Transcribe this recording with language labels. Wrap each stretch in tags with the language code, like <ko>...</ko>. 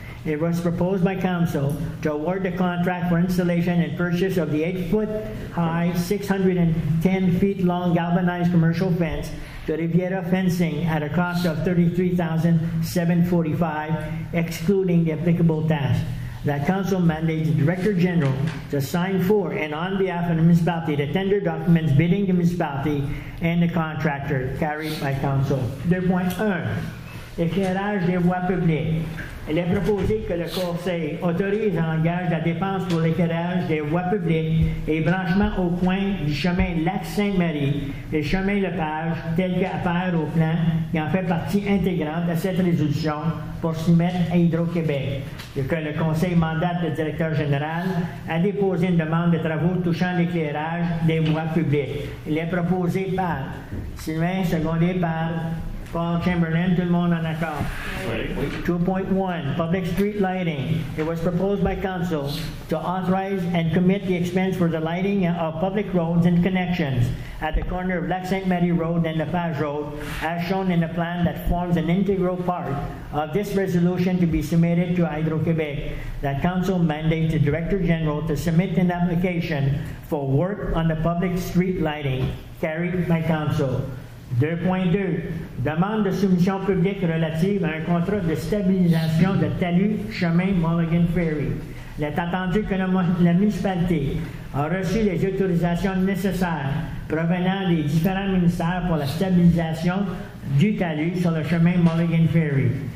<en>It was proposed by council to award the contract for installation and purchase of the 8-foot-high, 610-feet-long galvanized commercial fence to Riviera Fencing at a cost of $33,745, excluding the applicable tax. That council mandates the director general to sign for and on behalf of the municipality the tender documents bidding the municipality and the contractor. Carried by council.</en> <fr>2.1. Éclairage des voies publiques. Il est proposé que le conseil autorise et engage la dépense pour l'éclairage des voies publiques et branchements au coin du chemin Lac-Sainte-Marie et chemin Lepage, tel qu'affaire au plan, qui en fait partie intégrante de cette résolution pour soumettre à Hydro-Québec. Et que le conseil mandate le directeur général à déposer une demande de travaux touchant l'éclairage des voies publiques. Il est proposé par Sylvain, secondé par Paul Chamberlain, tout le monde en accord.</fr> <en>2.1, public street lighting. It was proposed by council to authorize and commit the expense for the lighting of public roads and connections at the corner of Lac-Sainte-Marie Road and Lepage Road, as shown in the plan that forms an integral part of this resolution to be submitted to Hydro-Québec. That council mandates the director general to submit an application for work on the public street lighting. Carried by council. 2.2.</en> <fr>Demande de soumission publique relative à un contrat de stabilisation de talus chemin Mulligan Ferry. Il est attendu que la municipalité a reçu les autorisations nécessaires provenant des différents ministères pour la stabilisation du talus sur le chemin Mulligan Ferry.</fr>